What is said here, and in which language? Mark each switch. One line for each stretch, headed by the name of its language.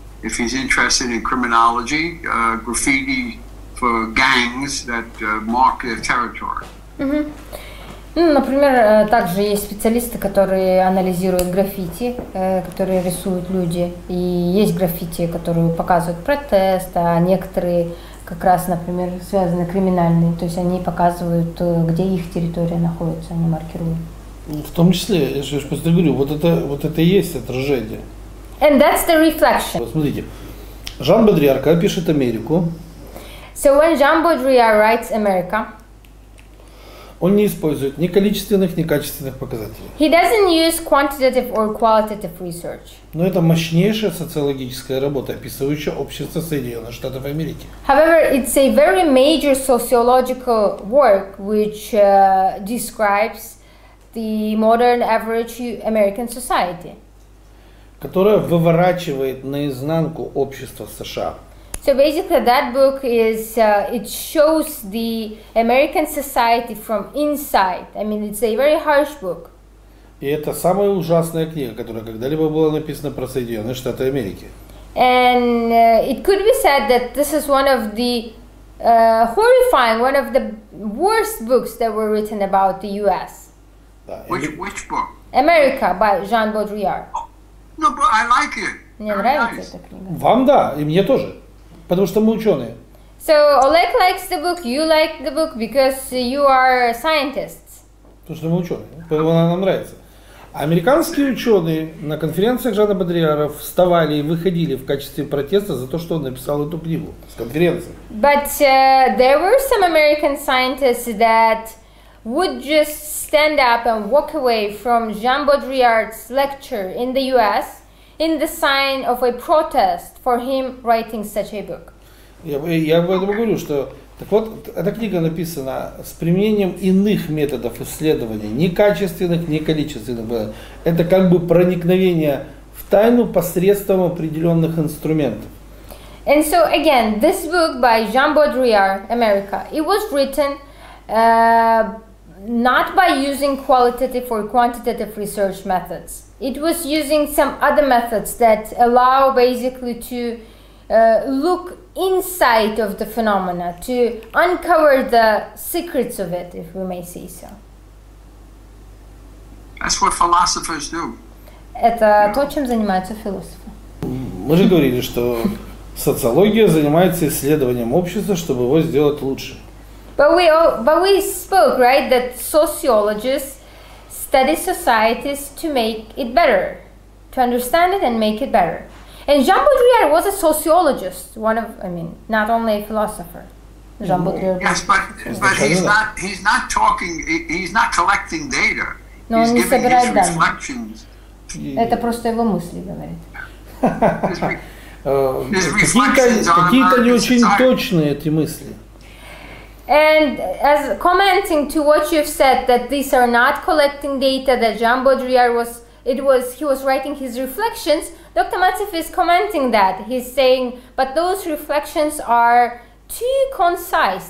English: If he's interested in criminology, graffiti for gangs that mark their territory. Mm-hmm.
Russian: Ну, например, также есть специалисты, которые анализируют граффити, которые рисуют люди. И есть граффити, которые показывают протест, а некоторые как раз, например, связаны криминальные. То есть они показывают, где их территория находится, они маркируют. В том числе, я же просто говорю, вот это и есть отражение.
English: And that's the reflection.
Russian: Смотрите, Жан Бодриарка пишет Америку.
English: So when Jean Baudrillard writes America,
Russian: он не использует ни количественных, ни качественных показателей.
English: He doesn't use quantitative or qualitative research.
Russian: Но это мощнейшая социологическая работа, описывающая общество Соединенных Штатов Америки.
English: However, it's a very major sociological work which describes the modern average American society,
Russian: которая выворачивает наизнанку общество США.
English: So basically, that book is it shows the American society from inside. I mean, it's a very harsh book.
Russian: И это самая ужасная книга, которая когда-либо была написана про Соединенные Штаты Америки.
English: And it could be said that this is one of the horrifying, one of the worst books that were written about the U.S. Which book? America by Jean Baudrillard. No, but I like it.
Russian: Мне нравится эта книга. Вам да, и мне тоже. Потому что мы ученые.
English: So Oleg likes the book, you like the book because you are scientists.
Russian: Потому что мы ученые, поэтому она нам нравится. Американские ученые на конференциях Жана Бодриара вставали и выходили в качестве протеста за то, что он написал эту книгу с конференции. But there were some American scientists that would just stand up and walk away from Jean Baudrillard's lecture in the U.S. in the sign of a protest for him writing such a book. Я об этом говорю, что так вот, эта книга написана с применением иных методов исследования, не качественных, не количественных. Это как бы проникновение в тайну посредством определенных инструментов.
English: And so again, this book by Jean Baudrillard, America, it was written not by using qualitative or quantitative research methods. It was using some other methods that allow basically to look inside of the phenomena, to uncover the secrets of it, if we may say so. That's what philosophers do.
Russian: Это то, чем занимаются философы. Мы же говорили, что социология занимается исследованием общества, чтобы его сделать лучше.
English: But we spoke, right, that sociologists study societies to make it better, to understand it and make it better. And Jean Baudrillard was a sociologist, not only a philosopher. Jean Baudrillard. Yes, but he's not talking, he's not collecting data.
Russian: Но
English: he's
Russian: он не
English: giving
Russian: собирает данные.
English: Reflections.
Russian: Это просто его мысли говорит. Какие-то не очень точные эти мысли.
English: And as commenting to what you've said, that these are not collecting data, that Jean Baudrillard was writing his reflections, Dr. Matsev is commenting that. He's saying, but those reflections are too concise.